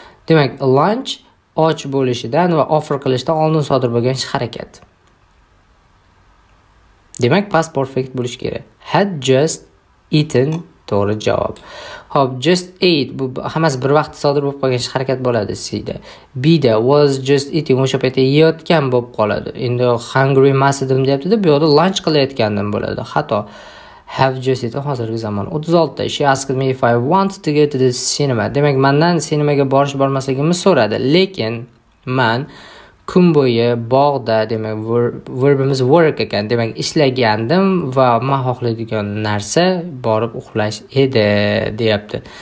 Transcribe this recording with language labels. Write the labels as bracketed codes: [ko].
[uz] Demak, lunch och bo'lishidan va offer qilishdan oldin sodir bo'lgan ish-harakat. Demak, past perfect bo'lish kerak. [en] Had just eaten. [uz] To'g'ri javob. Hop, just eat bu hammasi bir vaqt sodir bo'lib qolgan ish-harakat bo'ladi sizda. Be the [en] was just eating [uz] o'sha paytda yeyotgan bo'lib qoladi. Endi hungry emas edim deyapti-da, bu yerda lunch qilayotgandim bo'ladi. Xato. [en] Have just eaten [uz] hozirgi zamon. 36. [en] She asked me if I want to go to the cinema. [uz] Demak, mendan sinemaga borish bormasligimni so'radi. Lekin men kun bo'yi bog'da, demak, verbimiz work ekan, demak, ishlagandim va men xohlaydigan narsa borib uxlash edi, deyapti.